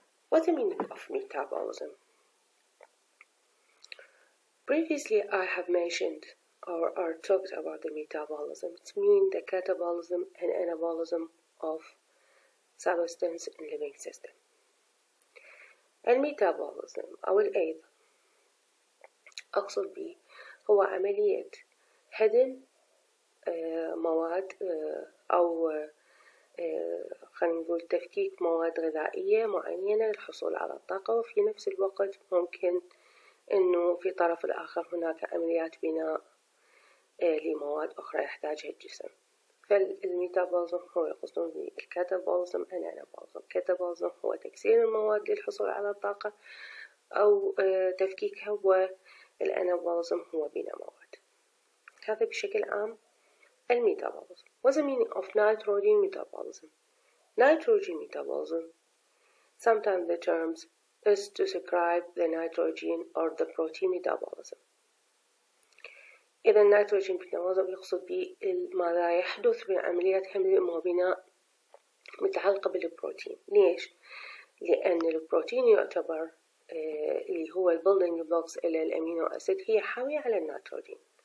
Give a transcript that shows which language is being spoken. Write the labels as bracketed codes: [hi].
[en] What is the meaning of metabolism? Previously, I have mentioned or talked about the metabolism. It means the catabolism and anabolism of substance in living system. And metabolism, our aid, [ar] أقصد به هو عملية هدم مواد أو خلينا نقول تفكيك مواد غذائية معينة للحصول على الطاقة، وفي نفس الوقت ممكن إنه في طرف الآخر هناك عمليات بناء لمواد أخرى يحتاجها الجسم. فالميتابوليزم هو يقصدون به الكاتابوليزم أو الأنابوليزم. الكاتابوليزم هو تكسير المواد للحصول على الطاقة أو تفكيكها، والأنابوليزم هو بناء مواد. هذا بشكل عام الميتابوليزم. [en] What's the meaning of nitrogen metabolism? Nitrogen metabolism, sometimes the terms is to describe the nitrogen or the protein metabolism. [ar] إذا النيتروجين متابوليزم يقصد به ماذا يحدث بعملية حمل المبنى متعلقة بالبروتين. ليش؟ لأن البروتين يعتبر اللي هو البيلدينج بلوكس إلى الأمينو أسيد، هي حاوية على النيتروجين.